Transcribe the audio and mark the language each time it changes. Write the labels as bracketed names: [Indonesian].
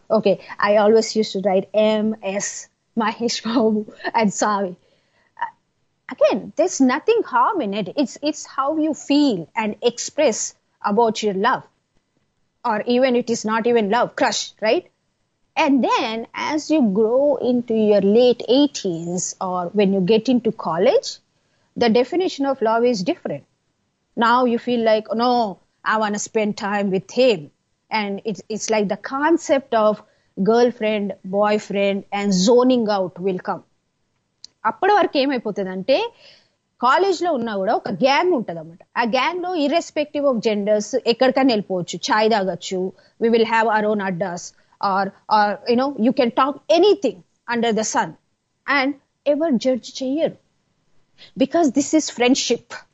[English] Okay, I always use to write MS Mahesh Babu and Savi. Again there's nothing harm in it, it's how you feel and express about your love or even it is not even love crush right. And then as you grow into your late 80s or when you get into college, the definition of love is different. Now you feel like, oh, no, I want to spend time with him. And it's like the concept of girlfriend, boyfriend and zoning out will come. [Telugu] అప్పటి వరకు ఏమైపోతుందంటే, కాలేజ్లో ఉన్నా కూడా ఒక gang ఉంటుంది అనమాట. ఆ గ్యాంగ్లో [English] irrespective of genders [Telugu] ఎక్కడికైనా వెళ్ళిపోవచ్చు, చాయ్ తాగొచ్చు, [English] we will have our own addas, or you know, you can talk anything under the sun and ever judge [Telugu] cheyaru [English] because this is friendship.